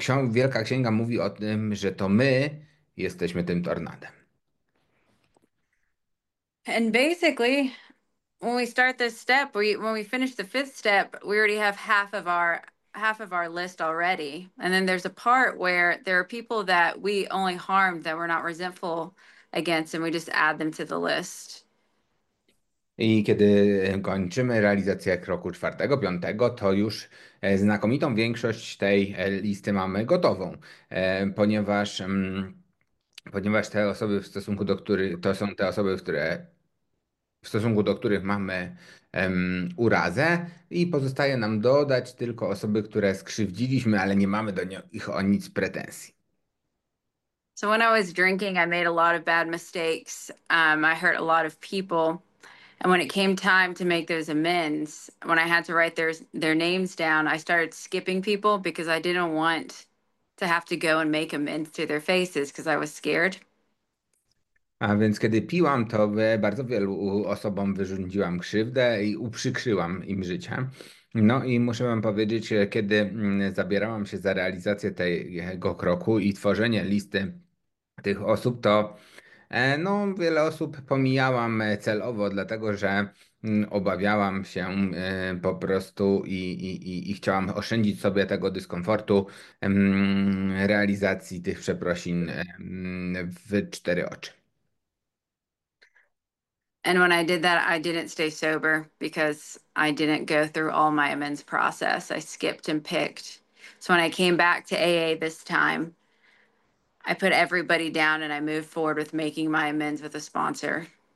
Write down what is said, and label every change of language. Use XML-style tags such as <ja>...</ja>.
<pl>Wielka Księga mówi o tym, że to my jesteśmy tym tornadem.</pl> <en>And basically, when we start this step, when we finish the fifth step, we already have half of our list already. And then there's a part where there are people that we only harmed that we're not resentful against, and we just add them to the list.</en> <pl>I kiedy kończymy realizację kroku czwartego, piątego, to już znakomitą większość tej listy mamy gotową, ponieważ te osoby, to są te osoby, w stosunku do których mamy urazę, i pozostaje nam dodać tylko osoby, które skrzywdziliśmy, ale nie mamy do nich o nic pretensji.</pl> <en>So when I was drinking, I made a lot of bad mistakes. I hurt a lot of people. And when it came time to make those amends, when I had to write their names down, I started skipping people because I didn't want to have to go and make amends to their faces because I was scared.</en> <pl>A więc kiedy piłam, to bardzo wielu osobom wyrządziłam krzywdę i uprzykrzyłam im życie. No i muszę wam powiedzieć, kiedy zabierałam się za realizację tego kroku i tworzenie listy tych osób, to no, wiele osób pomijałam celowo, dlatego że obawiałam się po prostu i chciałam oszczędzić sobie tego dyskomfortu realizacji tych przeprosin w cztery oczy.</pl> <en>And when I did that, I didn't stay sober because I didn't go through all my amends process. I skipped and picked. So when I came back to AA this time, I put everybody down and I moved forward with making my amends with a sponsor.</en>